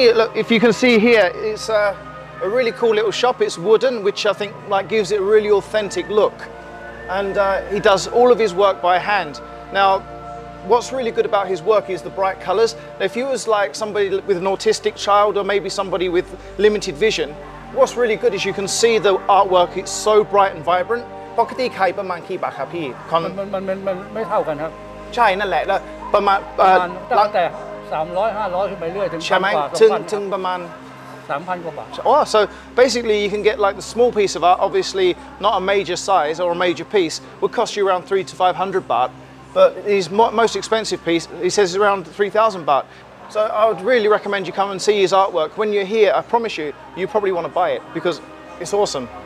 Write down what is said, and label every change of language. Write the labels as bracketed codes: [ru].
[th] ตอนนี้ [en] if you can see here it's a really cool little shop it's wooden which I think like gives it a really authentic look and he does all of his work by hand now What's really good about his work is the bright colours. If he was like somebody with an autistic child or maybe somebody with limited vision, what's really good is you can see the artwork, it's so bright and vibrant. [th] ปกติใครประมาณกี่บาทครับพี่มันไม่เท่ากันครับใช่นั่นแหละแล้วประมาณตั้งแต่300-500ขึ้นไปเรื่อยถึงประมาณ3,000กว่าบาท [en] Oh, so basically you can get like the small piece of art, obviously not a major size or a major piece, would cost you around 300-500 baht. But his most expensive piece, he says, is around 3,000 baht. So I would really recommend you come and see his artwork. When you're here, I promise you, you probably want to buy it because it's awesome.